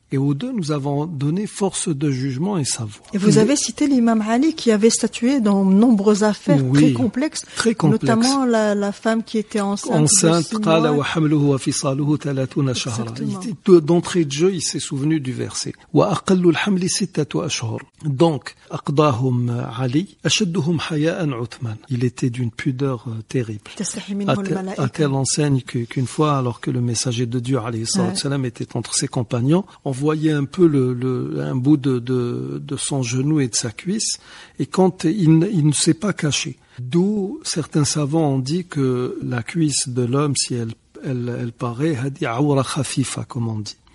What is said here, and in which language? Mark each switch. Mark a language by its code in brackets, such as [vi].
[fr] Et aux deux, nous avons donné force de jugement et savoir. Et vous avez cité l'imam Ali qui avait statué dans nombreuses affaires, oui, très complexes. Très complexes. Notamment la femme qui était enceinte. [ar] قَالَ وَحَمْلُهُ وَفِصَالُهُ 30 شَهْرًا. [fr] D'entrée de jeu, il s'est souvenu du verset. [ar] وَأَقَلُّ الْحَمْلِ 6 أَشْهُرًا. Donc, أَقْضَاهُمْ عَلِي أَشَدُّهُمْ حَيَاءً عُثْمَانَ. [fr] Il était d'une pudeur terrible. À telle enseigne qu'une fois, alors que le messager de Dieu, [ar] عليه الصلاة والسلام, [fr] était entre ses compagnons, on voyait un peu un bout de son genou et de sa cuisse, et quand il ne s'est pas caché. D'où certains savants ont dit que la cuisse de l'homme, si elle paraît, a dit aura khafifa, comme on dit.